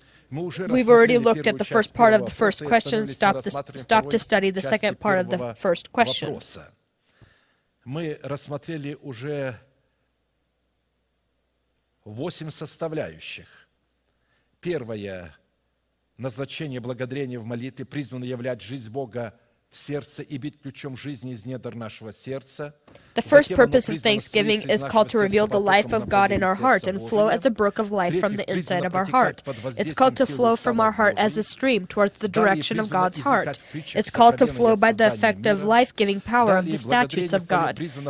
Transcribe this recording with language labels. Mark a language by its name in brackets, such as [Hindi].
[English] We've already looked at the first part of the first question, stopped to study the second part of the first question. [Russian] Мы рассмотрели уже 8 составляющих. Первое – назначение благодарения в молитве, призвано являть жизнь Бога в сердце и бить ключом жизни из недр нашего сердца. [English] The first purpose of thanksgiving is called to reveal the life of God in our heart and flow as a brook of life from the inside of our heart. It's called to flow from our heart as a stream towards the direction of God's heart. It's called to flow by the effect of life-giving power of the statutes of God.